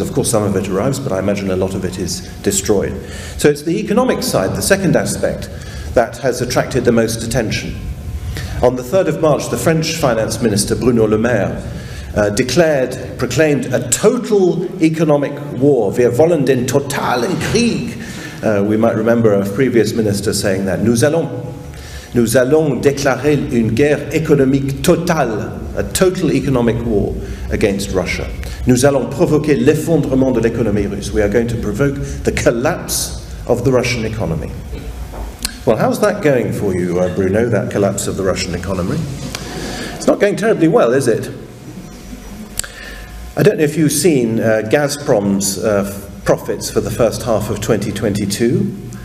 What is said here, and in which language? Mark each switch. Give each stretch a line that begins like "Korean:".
English: Of course, some of it arrives, but I imagine a lot of it is destroyed. So it's the economic side, the second aspect, that has attracted the most attention. On the 3rd of March, the French finance minister, Bruno Le Maire, proclaimed a total economic war.
German: Wir wollen den totalen Krieg.
English: We might remember a previous minister saying that.
French: Nous allons déclarer une guerre économique totale,
English: a total economic war against Russia.
French: Nous allons provoquer l'effondrement de l'économie russe.
English: We are going to provoke the collapse of the Russian economy. Well, how's that going for you, Bruno, that collapse of the Russian economy? It's not going terribly well, is it? I don't know if you've seen Gazprom's profits for the first half of 2022.